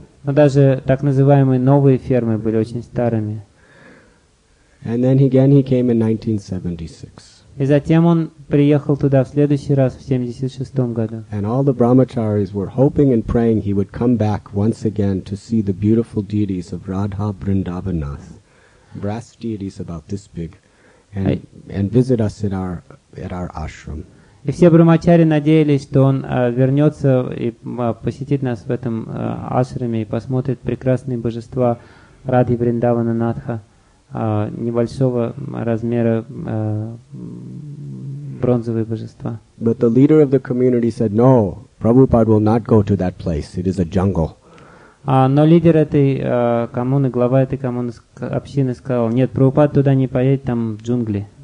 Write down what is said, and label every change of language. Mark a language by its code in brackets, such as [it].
[ru] Но даже так называемые новые фермы были очень старыми. [en] And then again he came in 1976. [ru] И затем он приехал туда в следующий раз в 76-м году. [en] And all the brahmacharis were hoping and praying he would come back once again to see the beautiful deities of Radha Vrindavanath, brass deities about this big, and visit us at our ashram. [ru] И все брахмачари надеялись, что он вернется и посетит нас в этом ашраме и посмотрит прекрасные божества Радхи Вриндавана Натха, небольшого размера бронзовые божества. [en] But the leader of the community said, no, Prabhupada will not go to that place. It is a jungle. [ru] Но лидер этой коммуны, глава этой коммуны общины сказал, нет, Прабхупада туда не поедет, там джунгли.